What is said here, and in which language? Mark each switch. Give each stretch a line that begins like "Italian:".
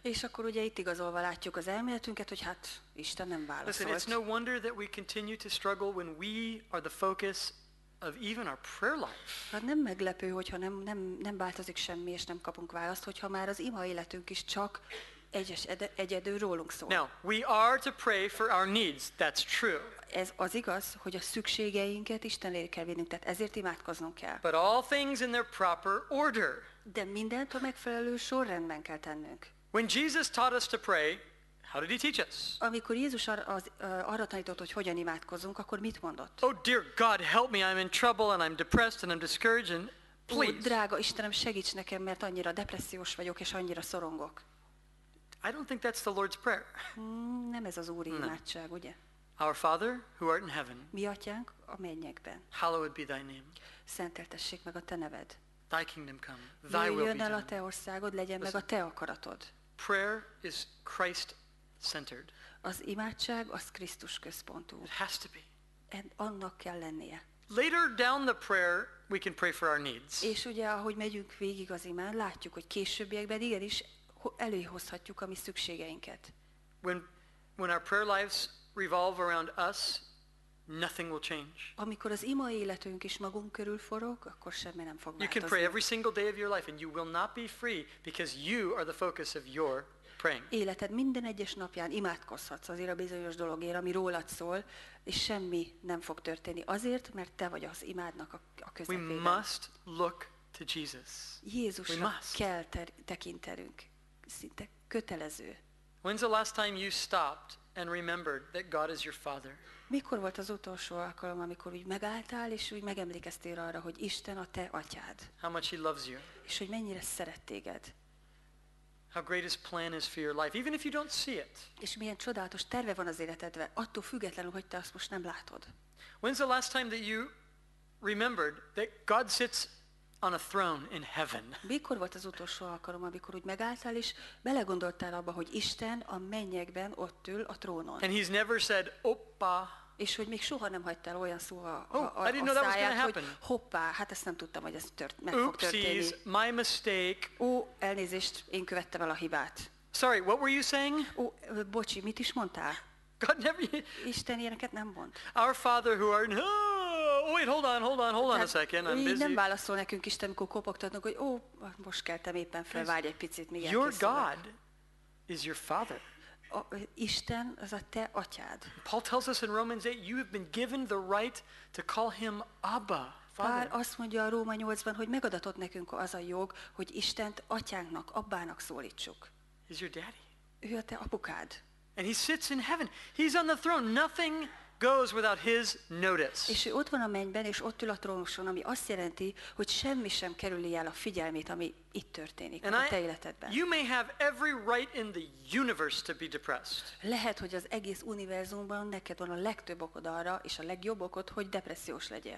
Hungarian: És akkor ugye itt igazolva látjuk az elméletünket, hogy hát Isten nem válaszolt.
English: Listen, it's no wonder that we continue to struggle when we are the focus of even our prayer life.
Hungarian: Hát nem meglepő, hogyha nem változik semmi, és nem kapunk választ, hogyha már az ima életünk is csak egyedül rólunk szól.
English: Now, we are to pray for our needs. That's true.
Hungarian: Ez az igaz, hogy a szükségeinket Isten elé kell vinnünk, tehát ezért imádkoznunk kell.
English: But all things in their proper order.
Hungarian: De mindent a megfelelő sorrendben kell tennünk.
English: When Jesus taught us to pray, how did he teach us?
Hungarian: Amikor Jézus arra tanított, hogy hogyan imádkozunk, akkor mit mondott?
English: Oh dear God, help me, I'm in trouble and I'm depressed and I'm discouraged and please.
Hungarian: Ó, drága Istenem, segíts nekem, mert annyira depressziós vagyok és annyira szorongok.
English: I don't think that's the Lord's prayer.
Hungarian: Nem ez az Úr imádság, ugye?
English: Our Father, who art in heaven.
Hungarian: Mi atyánk a mennyekben.
English: Hallowed be thy name.
Hungarian: Szenteltessék meg a te neved.
English: Thy kingdom come. Thy will be done.
Hungarian: Jöjjön el a te országod, legyen meg a te akaratod.
English: Prayer is Christ-centered.
Hungarian: Az imádság az Krisztus központú.
English: It has to be.
Hungarian: And annak kell lennie.
English: Later down the prayer, we can pray for our needs.
Hungarian: És ugye, ahogy megyünk végig az imán, látjuk, hogy későbbiekben igenis előhozhatjuk a mi szükségeinket.
English: When our prayer lives revolve around us, nothing will change.
Hungarian: Amikor az ima életünk is magunk körül forog, akkor semmi nem fog változni.
English: You can pray every single day of your life, and you will not be free, because you are the focus of your praying.
Hungarian: Életed minden egyes napján imádkozhatsz azért a bizonyos dologért, ami rólad szól, és semmi nem fog történni azért, mert te vagy az imádnak a közepében.
English: We must look to Jesus.
Hungarian: Jézusra
English: we must.
Hungarian: Kell tekintenünk. Szinte kötelező.
English: When's the last time you stopped and remembered that God is your father?
Hungarian: Mikor volt az utolsó alkalom, amikor úgy megálltál, és úgy megemlékeztél arra, hogy Isten a te atyád?
English: How much he loves you.
Hungarian: És hogy mennyire szeret téged.
English: How great his plan is for your life, even if you don't see it.
Hungarian: És milyen csodálatos terve van az életedre, attól függetlenül, hogy te azt most nem látod.
English: When's the last time that you remembered that God sits on a throne in heaven?
Hungarian: Mikor volt az utolsó alkalom, amikor úgy megálltál és belegondoltál abba, hogy Isten a mennyekben ott ül a trónon?
English: And he's never said, oppa.
Hungarian: És hogy még soha nem hagytál olyan szó a száját, hogy hoppá, hát ezt nem tudtam, hogy ez meg fog történni.
English: Oopsies, my mistake.
Hungarian: Elnézést, én követtem el a hibát.
English: Sorry, what were you saying?
Hungarian: Bocsi, mit is mondtál?
English: God never...
Hungarian: Isten ilyeneket nem mond.
English: Our Father who art in... Oh, wait, hold on a second, I'm busy.
Hungarian: Nem válaszol nekünk Isten, amikor kopogtatnak, hogy most keltem éppen fel, várj egy picit, miért készülök.
English: Your God is your Father.
Hungarian: Isten az a te atyád.
English: Paul tells us in Romans 8, you have been given the right to call him Abba, Father.
Hungarian: Pál azt mondja a Róma 8-ban, hogy megadatott nekünk az a jog, hogy Istent atyánknak, abbának szólítsuk.
English: He's your daddy.
Hungarian: Ő a te apukád.
English: And he sits in heaven. He's on the throne. Nothing goes without his notice.
Hungarian: És ő ott van a mennyben, és ott ül a trónuson, ami azt jelenti, hogy semmi sem kerüli el a figyelmét, ami itt történik a te életedben.
English: You may have every right in the universe to be depressed.
Hungarian: Lehet, hogy az egész univerzumban neked van a legtöbb okod arra, és a legjobb okod, hogy depressziós legyél.